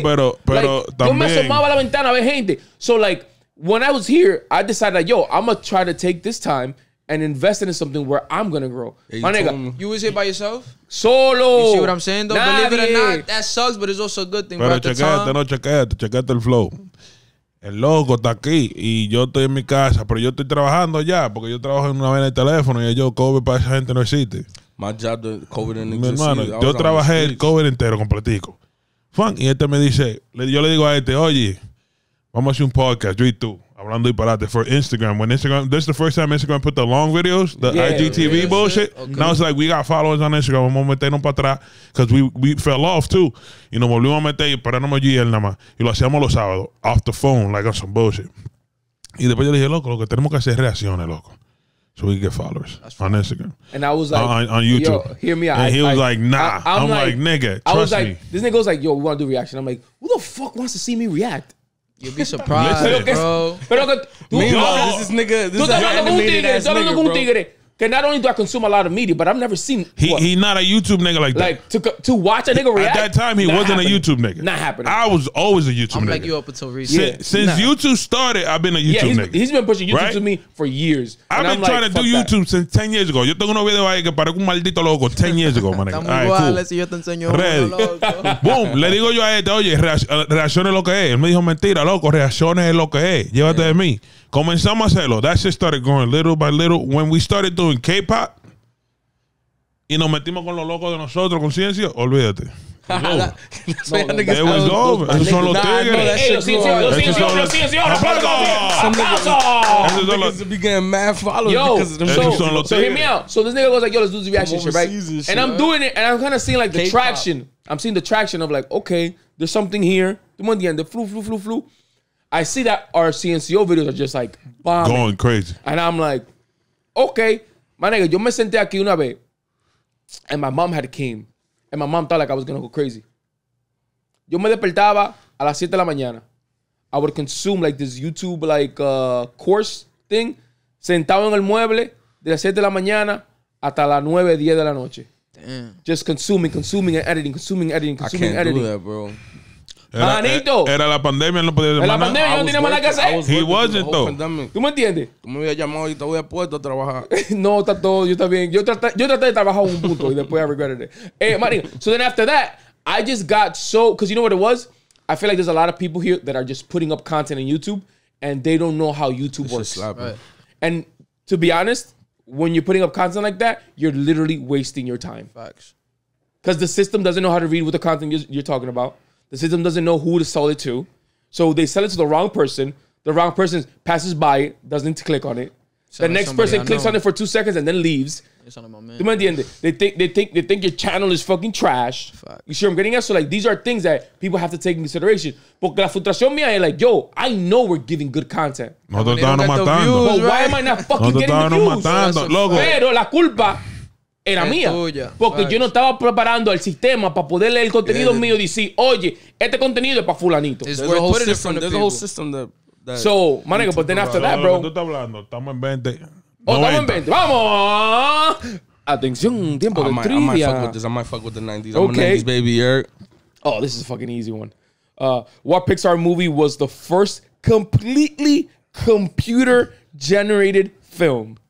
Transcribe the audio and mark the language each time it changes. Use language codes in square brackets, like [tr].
[es] No, pero like, también. Yo me asomaba la ventana a ver gente. [en] So like, when I was here, I decided that, yo, I'm going to try to take this time and invest in something where I'm going to grow. Yeah, my nigga. You was here by yourself? [es] Solo. [en] You see what I'm saying, though? [es] Nadie. [en] Believe it or not, that sucks, but it's also a good thing. [es] Pero chequeate el flow. El loco está aquí y yo estoy en mi casa, pero yo estoy trabajando ya porque yo trabajo en una vaina de teléfono y yo, COVID para esa gente no existe. [en] My job, the COVID didn't exist. [es] Mi hermano, yo trabajé el COVID entero, completico. [en] Fun. [es] Y este me dice, yo le digo a este, oye, vamos a hacer un podcast, yo y tú, hablando y parate, [en] for Instagram. When Instagram, this is the first time Instagram put the long videos, IGTV videos bullshit. Okay. Now it's like, we got followers on Instagram, [es] vamos a meternos para atrás, [en] because we fell off too. [es] Y nos volvimos a meter, pero no me llegué él nada más. Y lo hacíamos los sábados, [en] off the phone, like on some bullshit. [es] Y después yo le dije, loco, lo que tenemos que hacer es reacciones, loco. [en] So we can get followers on Instagram. And I was like, on YouTube. Yo, hear me out. And he was like, nah. I'm like, nigga, trust me. I was like, this nigga was like, yo, we want to do reaction. I'm like, who the fuck wants to see me react? You'll be surprised, bro. [es] Pero que, [en] this is an animated ass nigga, bro. Okay, not only do I consume a lot of media, but I've never seen... He's not a YouTube nigga like that. Like, to watch a nigga react... At that time, he wasn't a YouTube nigga. Not happening. I was always a YouTube nigga. I'm like you up until recently. Since YouTube started, I've been a YouTube nigga. He's been pushing YouTube to me for years. I've been trying to do YouTube since 10 years ago. [es] Yo tengo un video ahí que parece un maldito loco [en] 10 years ago, man. [es] Está muy igual, si yo te enseño un loco. Boom, le digo yo a este, oye, reacciones lo que es. Él me dijo, mentira, loco, reacciones es lo que es. Llévate de mí. Comenzamos a hacerlo. [en] That shit started going little by little. When we started doing K-pop, [es] y nos metimos con los locos de nosotros, conciencia, olvídate. [en] It was over. [es] Esos son los tigres. Esos son los tigres. Esos son los tigres. [en] So hear me out. So this nigga goes like, yo, let's do the reaction shit, right? And I'm doing it, and I'm kind of seeing like the traction. I'm seeing the traction of like, okay, there's something here. The flu. I see that our CNCO videos are just like bombing. Going crazy. And I'm like, okay. My nigga, [es] yo me senté aquí una vez. [en] And my mom had came. And my mom thought like I was going to go crazy. [es] Yo me despertaba a las 7 de la mañana. [en] I would consume like this YouTube like course thing. [es] Sentado en el mueble de las 7 de la mañana hasta las 9, 10 de la noche. [en] Damn. Just consuming and editing. I can't do that, bro. [es] Era la pandemia, él no podía. La pandemia, yo no tenía más que hacer. [en] He wasn't, though. [es] ¿Tú me entiendes? Tú me habías llamado y te voy a puesto a trabajar. No, está todo, yo está bien. Yo traté de trabajar un punto y después [en] I regretted it. Mario, so then after that, I just got so, because you know what it was? I feel like there's a lot of people here that are just putting up content on YouTube and they don't know how YouTube works. Right. And to be honest, when you're putting up content like that, you're literally wasting your time. Facts. Because the system doesn't know how to read what the content you're talking about. The system doesn't know who to sell it to. So they sell it to the wrong person. The wrong person passes by, doesn't click on it. The next person clicks on it for 2 seconds and then leaves. It's on my man. They think your channel is fucking trash. Fuck. You see what I'm getting at? So like these are things that people have to take into consideration. [es] Porque la frustración mía es [en] like, yo, I know we're giving good content. [es] No te están matando. [en] But why am I not fucking getting the views? [es] Pero la culpa... Era es mía. Tuya. Porque right. Yo no estaba preparando el sistema para poder leer el contenido mío y decir, oye, este contenido es para fulanito. [en] There's a whole system that That so, my nigga, but then after that, bro. [es] Tú estás hablando, estamos en 20. Oh, estamos en 20. Vamos. Atención, tiempo de trivia. [en] I might fuck with the 90s. Okay. I'm a 90s baby, Eric. Oh, this is a fucking easy one. What Pixar movie was the first completely computer-generated film?